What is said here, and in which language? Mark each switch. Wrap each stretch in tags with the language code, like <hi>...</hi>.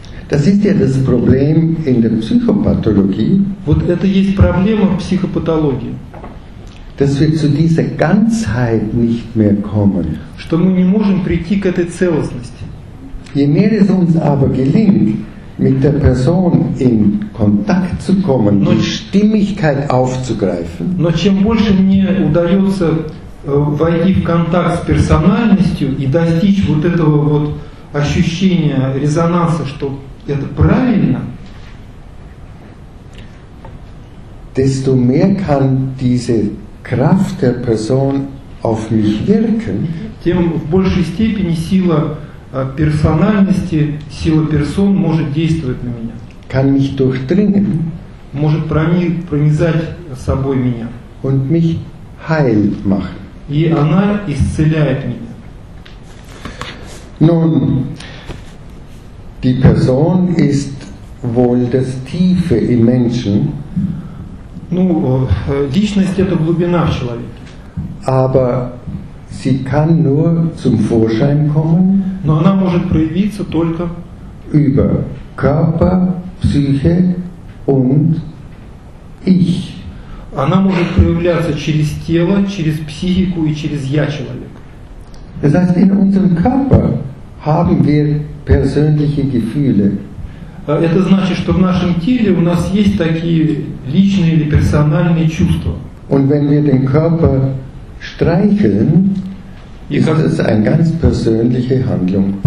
<de>Das ist ja das Problem in der Psychopathologie.</de> <ru>Вот это есть проблема в психопатологии.</ru> <de>Dass wir zu dieser Ganzheit nicht mehr kommen.</de> <ru>Что мы не можем прийти к этой целостности.</ru> <de>Je mehr es uns aber gelingt, mit der Person in Kontakt zu kommen, die Stimmigkeit aufzugreifen.</de> <ru>Но чем больше мне удается войти в контакт с персональностью и достичь вот этого вот ощущения резонанса, что это правильно,</ru> <de>desto mehr kann diese Kraft der Person auf mich wirken,</de> <ru>тем в большей степени сила персональности, сила персон может действовать на меня.</ru> <de>Kann mich durchdringen,</de> <ru>может пронизать собой меня.</ru> <de>Und mich heil machen.</de> <ru>И она исцеляет меня.</ru> <de>Nun, die Person ist wohl das Tiefe im Menschen.</de> <ru>Ну, личность – это глубина в человеке.</ru> <de>Aber sie kann nur zum Vorschein kommen.</de> <ru>Но она может проявиться только</ru> <de>über Körper, Psyche und ich.</de> <ru>Она может проявляться через тело, через психику и через я человек.</ru> <de>Das heißt, in unserem Körper haben wir persönliche Gefühle.</de> <ru>Это значит, что в нашем теле у нас есть такие личные или персональные чувства.</ru> <de>Und wenn wir den Körper streicheln, ist das eine ganz persönliche Handlung.</de>